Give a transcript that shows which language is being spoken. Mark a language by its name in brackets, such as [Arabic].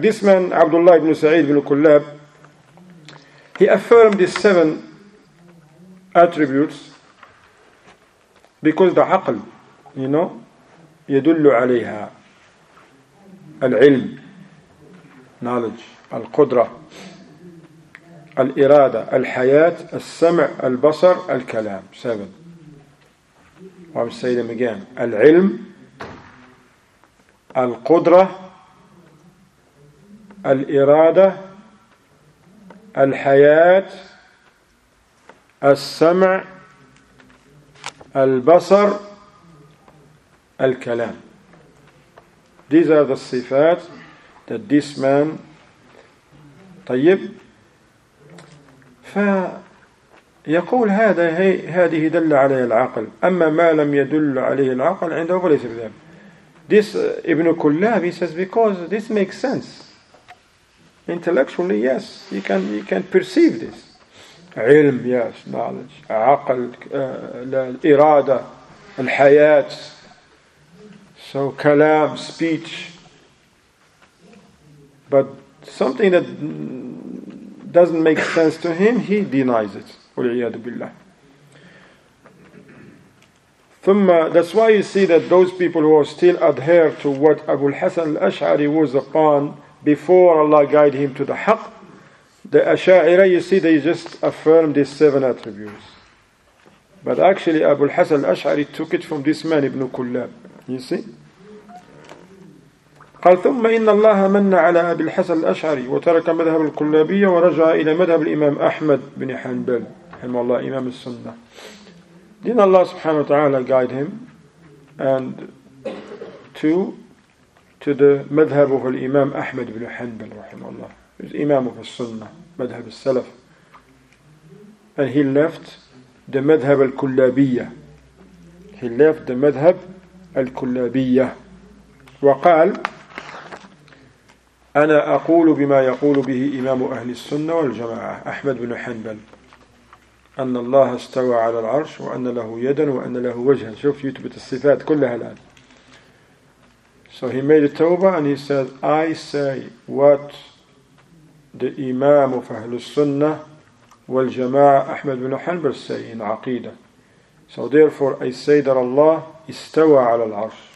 [English] This man, Abdullah ibn Sa'id ibn Kullab, he affirmed these seven attributes because the haql, you know, [Arabic] يدل عليها العلم [English] knowledge [Arabic] القدرة الإرادة الحياة السمع البصر الكلام [English] seven. I'm saying them again. [Arabic] العلم القدرة الإرادة الحياة السمع البصر الكلام. [English] These are the sifat that this man [Arabic] طيب فيقول هذا هي هذه دل عليه العقل أما ما لم يدل عليه العقل عنده فليس بذلك. [English] This Ibn Kullab, he says, because this makes sense intellectually, yes, you can perceive this علم, yes, knowledge [Arabic] عقل الإرادة الحياة. [English] So kalam, speech, but something that doesn't make sense to him, he denies it. [Arabic] وَلْعِيَادُ بِاللَّهِ ثُمَّ. [English] That's why you see that those people who are still adhere to what Abu al-Hasan al-Ash'ari was upon before Allah guide him to the haq, the Asha'ira, you see they just affirm these seven attributes. But actually Abu al-Hasan al-Ash'ari took it from this man Ibn Kullab, you see. [Arabic] قال ثم إن الله من على أبي الحسن الأشعري وترك مذهب الكلابية ورجع إلى مذهب الإمام أحمد بن حنبل رحمه الله إمام السنة. [English] Then Allah [Arabic] سبحانه وتعالى [English] guide him and to the [Arabic] مذهب of الإمام أحمد بن حنبل رحمه الله إمام of السنة مذهب السلف. [English] And he left the [Arabic] مذهب الكلابية. [English] He left the [Arabic] مذهب الكلابية وقال أنا أقول بما يقول به إمام أهل السنة والجماعة أحمد بن حنبل أن الله استوى على العرش وأن له يدا وأن له وجها. شوف يثبت الصفات كلها الآن. [English] So he made a tawbah and he said, I say what the إمام of [Arabic] أهل السنة والجماعة [English] أحمد بن حنبل say in عقيدة. So therefore I say that Allah [Arabic] استوى على العرش.